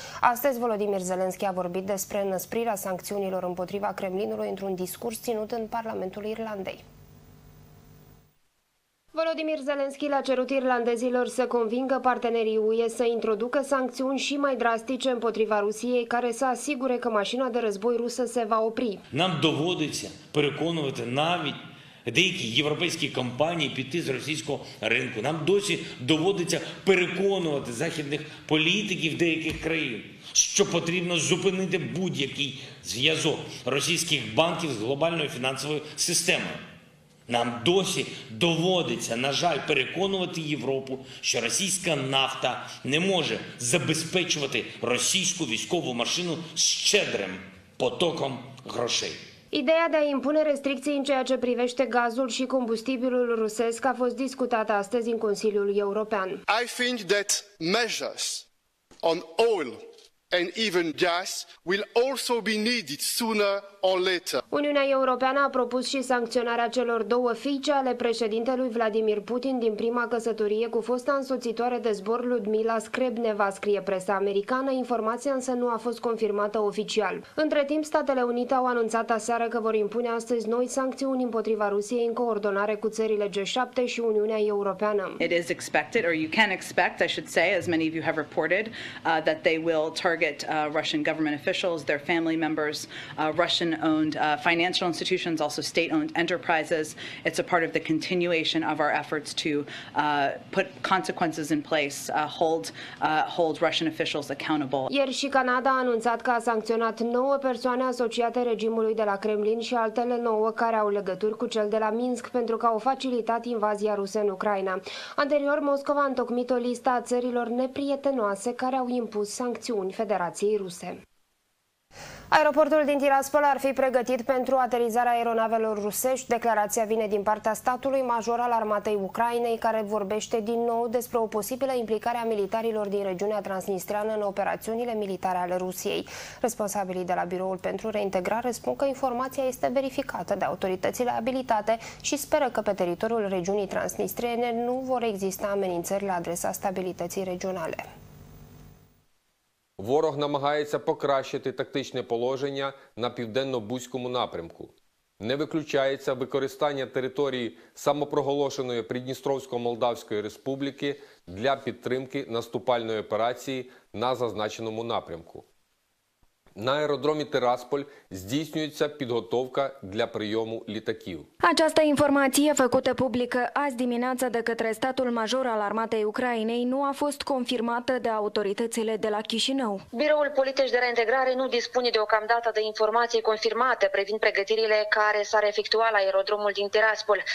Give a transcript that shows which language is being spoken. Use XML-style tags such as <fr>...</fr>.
<ro>Astăzi, Volodymyr Zelensky a vorbit despre năsprirea sancțiunilor împotriva Kremlinului într-un discurs ținut în Parlamentul Irlandei. Volodymyr Zelensky l-a cerut irlandezilor să convingă partenerii UE să introducă sancțiuni și mai drastice împotriva Rusiei, care să asigure că mașina de război rusă se va opri.</ro> <uk>Нам доводиться переконувати навіть деякі європейські компанії піти з російського ринку. Нам досі доводиться переконувати західних політиків деяких країн, що потрібно зупинити будь-який зв'язок російських банків з глобальною фінансовою системою. Нам досі доводиться, на жаль, переконувати Європу, що російська нафта не може забезпечувати російську військову машину щедрим потоком грошей.</uk> <ro>Ideea de a impune restricții în ceea ce privește gazul și combustibilul rusesc a fost discutată astăzi în Consiliul European.</ro> <en>I think that measures on oil and even gas will also be needed sooner or later.</en> <ro>Uniunea Europeană a propus și sancționarea celor două fiice ale președintelui Vladimir Putin din prima căsătorie cu fosta însoțitoare de zbor Ludmila Skrebneva, scrie presa americană. Informația însă nu a fost confirmată oficial. Între timp, Statele Unite au anunțat aseară că vor impune astăzi noi sancțiuni împotriva Rusiei în coordonare cu țările G7 și Uniunea Europeană.</ro> <en>It is expected, or you can expect, I should say, as many of you have reported, that they will target Russian government officials, their family members, Russian-owned financial institutions, also state-owned enterprises. It's a part of the continuation of our efforts to put consequences in place, hold Russian officials accountable.</en> <ro>Ieri și Canada a anunțat că a sancționat 9 persoane asociate regimului de la Kremlin și altele 9 care au legături cu cel de la Minsk pentru că au facilitat invazia rusă în Ucraina. Anterior, Moscova a întocmit o listă a țărilor neprietenoase care au impus sancțiuni Federației Ruse. Aeroportul din Tiraspol ar fi pregătit pentru aterizarea aeronavelor rusești. Declarația vine din partea statului major al armatei Ucrainei, care vorbește din nou despre o posibilă implicare a militarilor din regiunea transnistreană în operațiunile militare ale Rusiei. Responsabilii de la Biroul pentru Reintegrare spun că informația este verificată de autoritățile abilitate și speră că pe teritoriul regiunii transnistrene nu vor exista amenințări la adresa stabilității regionale.</ro> <uk>Ворог намагається покращити тактичне положення на південно-бузькому напрямку. Не виключається використання території самопроголошеної Придністровсько-Молдавської республіки для підтримки наступальної операції на зазначеному напрямку. На аеродромі Тирасполь здійснюється підготовка для прийому літаків.</uk> <ro>Această informație făcută publică azi dimineață de către statul major al armatei Ucrainei nu a fost confirmată de autoritățile de la Chișinău. Biroul Politici de Reintegrare nu dispune deocamdată de informații confirmate privind pregătirile care s-ar efectua la aerodromul din Tiraspol.</ro>